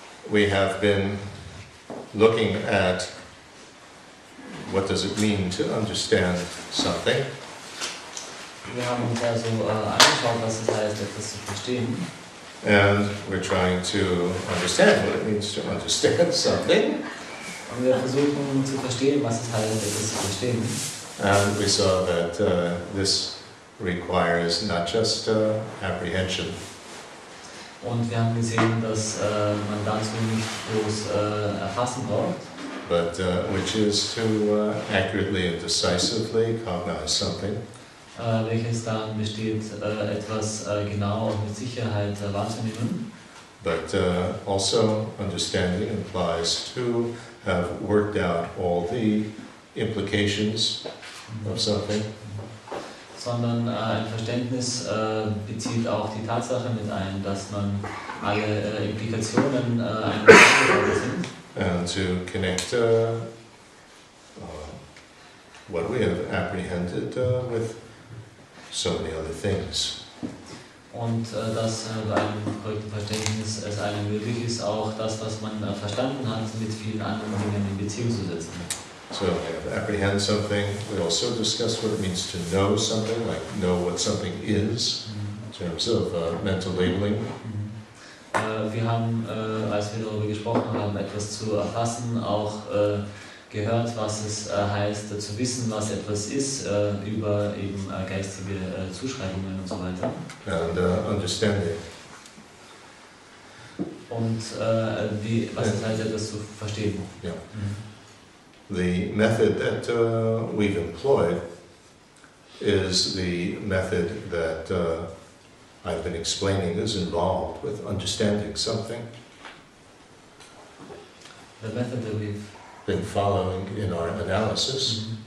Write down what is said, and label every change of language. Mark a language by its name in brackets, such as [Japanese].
[English] we have been looking at what does it mean to understand something. [German] Wir haben uns also angeschaut, was es heißt, etwas zu verstehen. [English] And we're trying to understand what it means to understand something. [German] Und wir versuchen zu verstehen, was es heißt, etwas zu verstehen. [English] And we saw that this requires not just apprehension. [German] Und wir haben gesehen, dass man dazu nicht bloß erfassen braucht. [English] But which is to accurately and decisively cognize something. [German] Welches darin besteht, etwas genau und mit Sicherheit wahrzunehmen. [English] But also understanding implies to have worked out all the implications of something. [German] Sondern ein Verständnis bezieht auch die Tatsache mit ein, dass man alle Implikationen sind. [English] And to connect what we have apprehended with so many other things. [German] Und dass bei einem korrekten Verständnis es einem möglich ist, auch das, was man verstanden hat, mit vielen anderen Dingen in Beziehung zu setzen. [English] So we have apprehend something. We also discuss what it means to know something, like know what something is, in terms of mental labeling. [German] Wir haben, als wir darüber gesprochen haben, etwas zu erfassen, auch gehört, was es heißt, zu wissen, was etwas ist, über eben geistige Zuschreibungen und so weiter. [English] And understanding. [German] Und wie, was es heißt, etwas zu verstehen. Yeah. Mm-hmm. [English] The method that we've employed is the method that I've been explaining is involved with understanding something. The method that we've been following in our analysis mm-hmm.